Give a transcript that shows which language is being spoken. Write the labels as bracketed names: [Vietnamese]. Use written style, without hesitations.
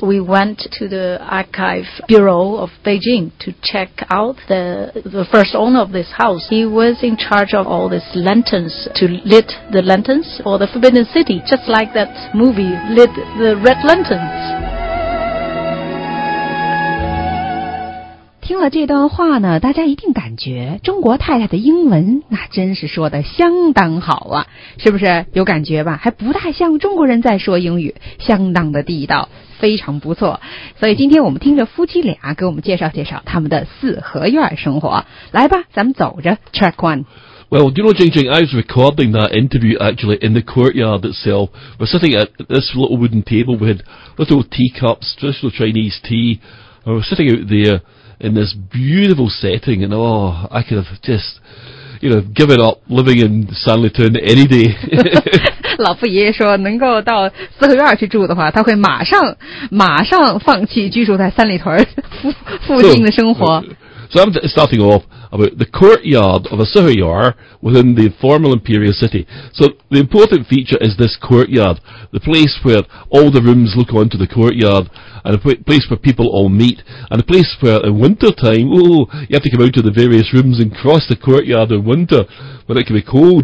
[English] we went to the Archive Bureau of Beijing to check out the first owner of this house. He was in charge of all these lanterns, to lit the lanterns for the Forbidden City, just like that movie, Lit the Red Lanterns. [Chinese] 听了这段话呢，大家一定感觉中国太太的英文那真是说得相当好啊，是不是有感觉吧？还不太像中国人在说英语，相当的地道，非常不错。所以今天我们听着夫妻俩给我们介绍介绍他们的四合院生活，来吧，咱们走着 [English] track one。 Well, do you know, Jing Jing, I was recording that interview actually in the courtyard itself. We're sitting at this little wooden table. We had little teacups, traditional Chinese tea. And we're sitting out there in this beautiful setting, and oh, I could have just, you know, given up living in Sanlitun any day. [Chinese] 老傅爷爷说，能够到四合院去住的话，他会马上放弃居住在三里屯附近的生活。 [English] So I'm starting off about the courtyard of a sihuyar within the former imperial city. So the important feature is this courtyard, the place where all the rooms look onto the courtyard, and a place where people all meet, and a place where in winter time, you have to come out to the various rooms and cross the courtyard in winter, when it can be cold.